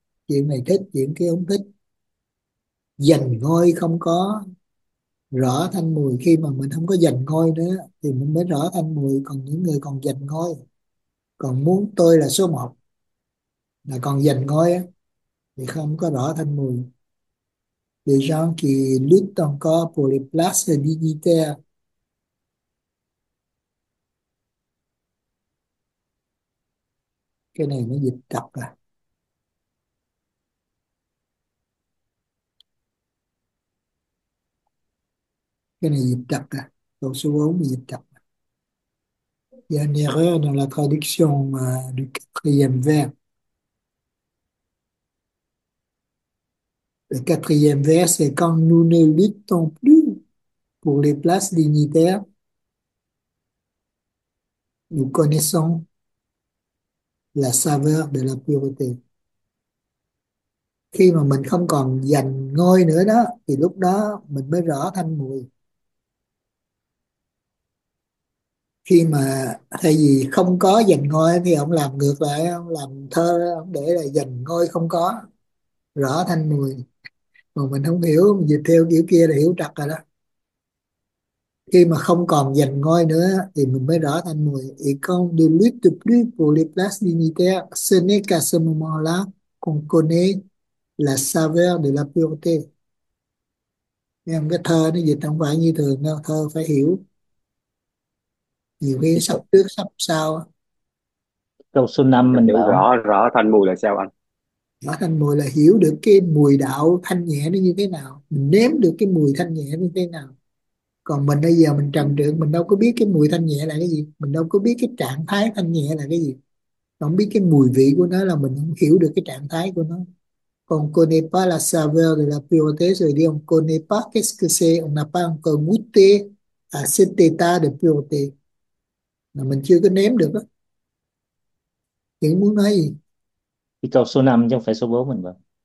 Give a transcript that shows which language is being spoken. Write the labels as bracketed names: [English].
[Vietnamese] Chuyện này thích, chuyện kia không thích, giành ngôi không có, rõ thanh mùi. Khi mà mình không có giành ngôi nữa thì mình mới rõ thanh mùi. Còn những người còn giành ngôi, còn muốn tôi là số 1 là còn giành ngôi á, thì không có rõ thanh mùi. [French] Les gens qui luttent encore pour les places dignitaires. [Vietnamese] Cái này nó dịch tập à, cái này dịch tập à, câu số 4 dịch tập. [French] Il y a une erreur dans la traduction du quatrième vers. Le quatrième vers, c'est quand nous ne luttons plus pour les places dignitaires, nous connaissons la saveur de la pureté. [Vietnamese] Khi mà mình không còn giành ngôi nữa đó, thì lúc đó mình mới rõ thanh mùi. Khi mà thay vì không có giành ngôi thì ông làm ngược lại, ông làm thơ, ông để là giành ngôi không có, rõ thanh mùi. Mà mình không hiểu, mình dịch theo kiểu kia là hiểu trật rồi đó. Khi mà không còn giành ngôi nữa thì mình mới rõ thanh mùi. [French] Et quand de lutte plus pour les places dignitaires, ce n'est qu'à ce moment-là qu'on connaît la saveur de la pureté. [Vietnamese] Em cái thơ nó dịch không phải như thường đâu, thơ phải hiểu. Nhiều khi sắp trước sắp sau Câu số 5 cho mình hiểu bảo rõ rõ rõ thanh mùi là sao anh? rõ thanh mùi, là hiểu được cái mùi đạo thanh nhẹ nó như thế nào, mình nếm được cái mùi thanh nhẹ như thế nào. Còn mình bây giờ mình trần trượt, mình đâu có biết cái mùi thanh nhẹ là cái gì, mình đâu có biết cái trạng thái thanh nhẹ là cái gì, không biết cái mùi vị của nó, là mình không hiểu được cái trạng thái của nó. Còn [French] connaît pas la saveur de la pureté, [Vietnamese] rồi đi, [French] on connaît pas qu'est-ce que c'est, on n'a pas encore goûté à cet état de pureté, [Vietnamese] là mình chưa có nếm được đó. Những muốn nói gì? Câu số 5 chứ không phải số 4 mình vào.